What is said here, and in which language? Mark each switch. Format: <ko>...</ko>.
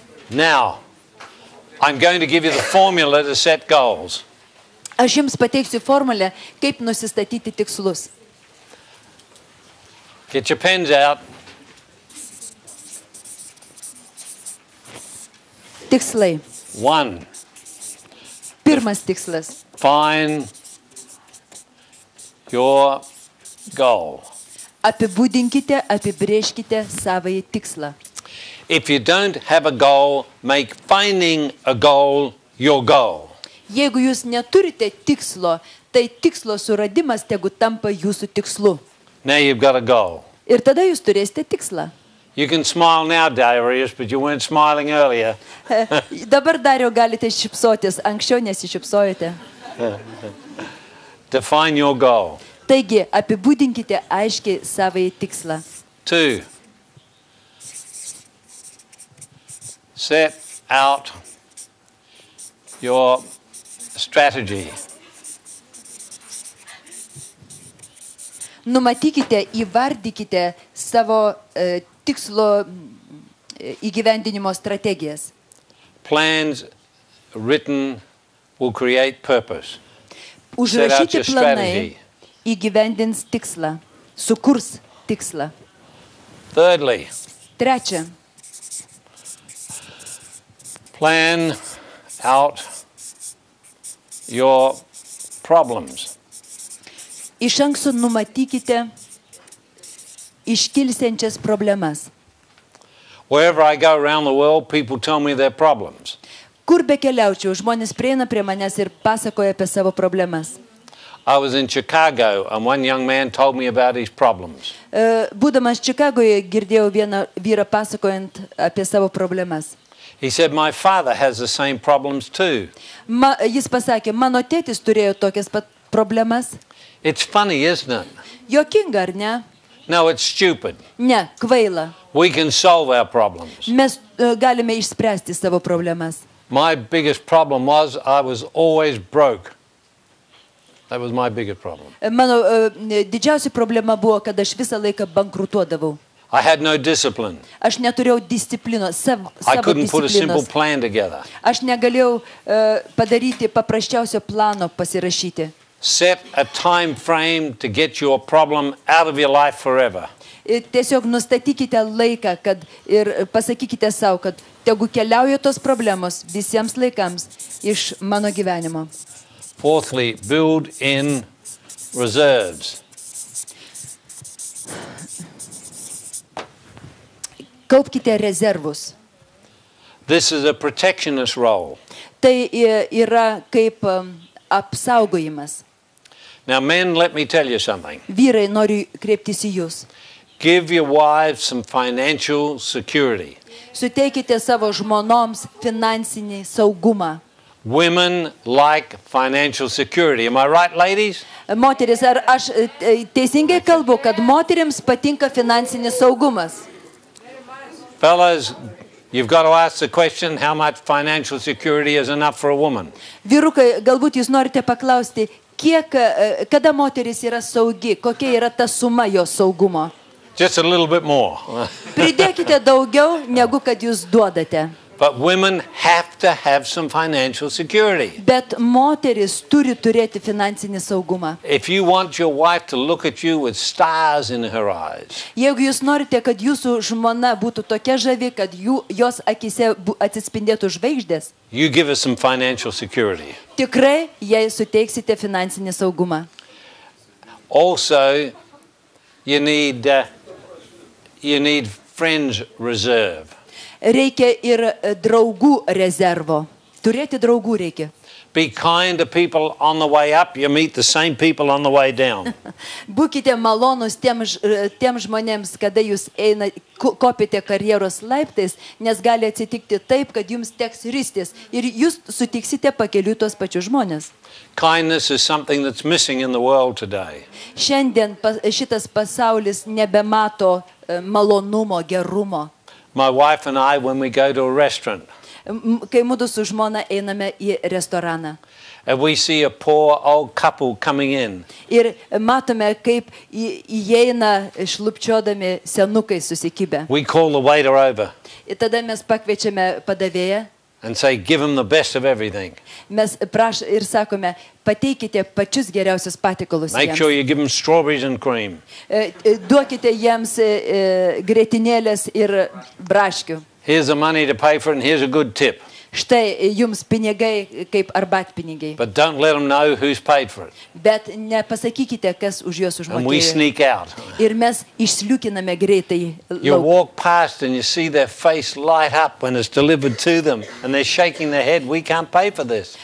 <en>Now, I'm going to give you the formula to set goals.</en> <lt>Aš jums pateiksiu formulę, kaip nusistatyti tikslus.</lt> <en>Get your pens out.</en> <lt>Tikslai.</lt> <en>One.</en> <lt>Pirmas tikslas.</lt> <en>Find your goal.</en> <lt>Apibūdinkite, apibrėžkite savąjį tikslą.</lt> <en>If you don't have a goal, make finding a goal your goal.</en> <lt>Jeigu jūs neturite tikslo, tai tikslo suradimas tegu tampa jūsų tikslu.</lt> <en>Now you've got a goal.</en> <lt>Ir tada jūs turėsite tikslą.</lt> <en>You can smile now, Darius, but you weren't smiling earlier.</en> <lt>Dabar Dario galite šypsotis, anksčiau nesišypsojote.</lt> <en>Define your goal.</en> <lt>Taigi, apibūdinkite aiškiai savąjį tikslą.</lt> <en>Two. Set out your strategy.</en> <lt>Numatykite, įvardykite savo tikslo įgyvendinimo strategijas.</lt> <en>Plans written will create purpose.</en> <lt>Užrašyti planai įgyvendins tikslą, sukurs tikslą.</lt> <en>Thirdly.</en> <lt>Trečia.</lt> <en>Plan out your problems.</en> <lt>Iš anksto numatykite iškilsiančias problemas.</lt> <en>Wherever I go around the world, people tell me their problems.</en> <lt>Kur bekeliaučiau, žmonės prieina prie manęs ir pasakoja apie savo problemas.</lt> <en>I was in Chicago and one young man told me about his problems.</en> <lt>Būdamas Čikagoje girdėjau vieną vyrą pasakojant apie savo problemas.</lt> <en>He said, my father has the same problems too.</en> <lt>Jis pasakė, mano tėtis turėjo tokias pat problemas.</lt> <en>It's funny, isn't it?</en> <lt>Jokinga, ar ne?</lt> <en>No, it's stupid.</en> <lt>Ne, kvaila.</lt> <en>We can solve our problems.</en> <lt>Mes galime išspręsti savo problemas.</lt> <en>My biggest problem was I was always broke. That was my biggest problem.</en> <lt>Mano didžiausia problema buvo, kad aš visą laiką bankrutuodavau.</lt> <en>I had no discipline.</en> <lt>Aš neturėjau disciplinos, savo disciplinos.</lt> <en>I couldn't put a simple plan together.</en> <lt>Aš negalėjau padaryti paprasčiausio plano pasirašyti.</lt> <en>Set a time frame to get your problem out of your life forever.</en> <lt>Tiesiog nustatykite laiką, kad ir pasakykite sau, kad tegu keliauja tos problemos visiems laikams iš mano gyvenimo.</lt> <en>Fourthly, build in reserves.</en> <lt>Kaupkite rezervus.</lt> <en>This is a protectionist role.</en> <lt>Tai yra kaip apsaugojimas.</lt> <en>Now, men, let me tell you something.</en> <lt>Vyrai, noriu kreiptis į jūs.</lt> <en>Give your wives some financial security.</en> <lt>Suteikite savo žmonoms finansinį saugumą.</lt> <en>Women like financial security. Am I right, ladies?</en> <lt>Moterys, ar aš teisingai kalbu, kad moterims patinka finansinis saugumas?</lt> <en>Fellas, you've got to ask the question, how much financial security is enough for a woman?</en> <lt>Vyrukai, galbūt jūs norite paklausti, kiek, kada moteris yra saugi, kokia yra ta suma jos saugumo?</lt> <en>Just a little bit more.</en> <lt>Pridėkite daugiau, negu kad jūs duodate.</lt> <en>But women have to have some financial security.</en> <lt>Bet moterys turi turėti finansinį saugumą.</lt> <en>If you want your wife to look at you with stars in her eyes.</en> <lt>Jeigu jūs norite, kad jūsų žmona būtų tokia žavi, kad jos akise atsispindėtų žvaigždės.</lt> <en>You give her some financial security.</en> <lt>Tikrai jai suteiksite finansinį saugumą.</lt> <en>Also, you need friends reserve.</en> <lt>Reikia ir draugų rezervo. Turėti draugų reikia.</lt> <en>Be kind to people on the way up, you meet the same people on the way down.</en> <lt>Būkite malonus tiem žmonėms, kada jūs kopite karjeros laiptais, nes gali atsitikti taip, kad jums teks ristis ir jūs sutiksite pakeliui tos pačius žmonės.</lt> <en>Kindness is something that's missing in the world today.</en> <lt>Šiandien šitas pasaulis nebemato malonumo, gerumo.</lt> <en>My wife and I, when we go to a restaurant.</en> <lt>Kai mudu su žmona einame į restoraną.</lt> <en>And we see a poor old couple coming in.</en> <lt>Ir matome, kaip įeina šlupčiodami senukai susikibę.</lt> <en>We call the waiter over.</en> <lt>Ir tada mes pakviečiame padavėją.</lt> <en>And say, give him the best of everything.</en> <lt>Mes prašome ir sakome, pateikite pačius geriausius patiekalus jiems.</lt> <en>Make sure you give him strawberries and cream.</en> <lt>Duokite jiems grietinėlės ir braškių.</lt> <en>Here's the money to pay for it and here's a good tip.</en> <lt>Štai jums pinigai kaip arbatpinigiai.</lt> <en>But don't let them know who's paid for it.</en> <lt>Bet nepasakykite, kas už juos užmokėjo.</lt> <en>And we sneak out.</en> <lt>Ir mes išsliūkiname greitai.</lt> <en>You walk past and you see their face light up when it's delivered to them and they're shaking their head, we can't pay for this.</en>